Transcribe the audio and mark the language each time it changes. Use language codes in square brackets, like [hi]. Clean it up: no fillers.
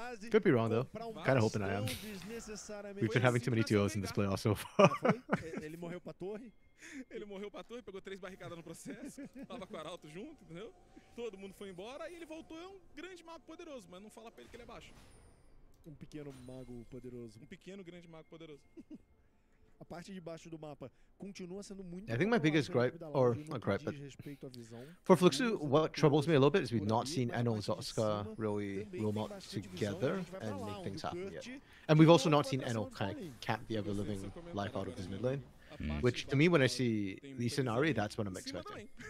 [en] Could be wrong though. Kind of hoping I am. We've been having too many TOs in this playoff so far. [pt] Ele morreu pra torre. Ele morreu pra torre, pegou três barricadas no processo. Tava com o Arauto junto, entendeu? Todo mundo foi embora e ele voltou. É um grande mago poderoso, mas não fala pra ele que ele é baixo. Um pequeno mago poderoso. Um pequeno grande mago poderoso. A parte de baixo do mapa continua sendo muito. [en] I think my biggest gripe, or not gripe, but for Fluxu, what troubles me a little bit is we've not seen Eno and Zotska really roll out together and make things happen yet. And we've also not seen Eno kind of cap the ever living life out of his mid lane. Which, to me, when I see Lee Sin Ahri, that's what I'm expecting.